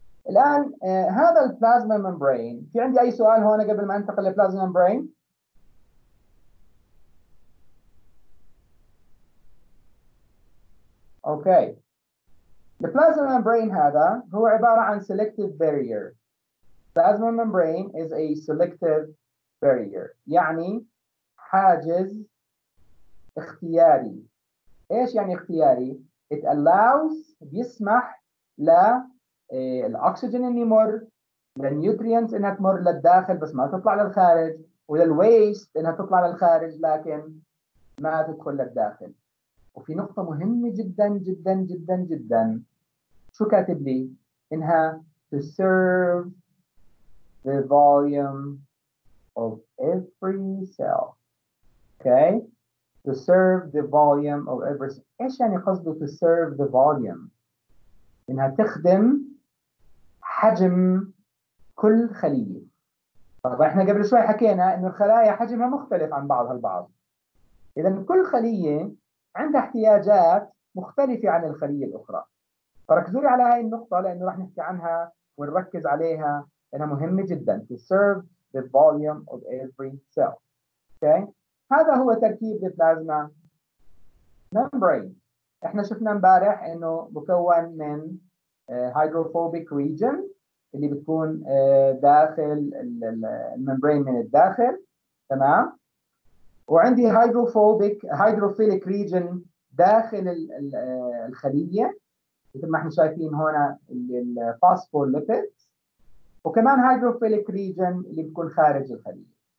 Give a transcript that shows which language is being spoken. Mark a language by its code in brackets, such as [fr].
[ar] الآن هذا البلازما ممبرين، في عندي أي سؤال هون قبل ما أنتقل للبلازما ممبرين؟ أوكي، البلازما ممبرين هذا هو عبارة عن selective barrier. [en] Plasma membrane is a selective barrier، [ar] يعني حاجز اختياري. ايش يعني اختياري؟ [en] It allows، [ar] بيسمح للأكسجين ان يمر، للنيوتريانت انها تمر للداخل بس ما تطلع للخارج، وللويست انها تطلع للخارج لكن ما تدخل للداخل. وفي نقطة مهمة جدا جدا جدا جدا، شو كاتب لي؟ انها [en] to serve the volume of every cell. Okay, to serve the volume of every cell. [ar] إيش يعني قصده [en] to serve the volume؟ [ar] إنها تخدم حجم كل خلية. طبعا احنا قبل شوي حكينا انه الخلايا حجمها مختلف عن بعضها البعض. اذا كل خلية عندها احتياجات مختلفة عن الخلية الاخرى. فركزوا لي على هاي النقطة لانه راح نحكي عنها ونركز عليها، انها مهمة جدا. [en] To serve the volume of every cell. Okay. [ar] هذا هو تركيب البلازما membrane. احنا شفنا مبارح انه مكون من hydrophobic region اللي بتكون داخل الممبرين من الداخل، تمام؟ وعندي hydrophobic hydrophilic region داخل الخلية مثل ما احنا شايفين هنا الphospholipids، وكمان hydrophilic region اللي بتكون خارج الخلية.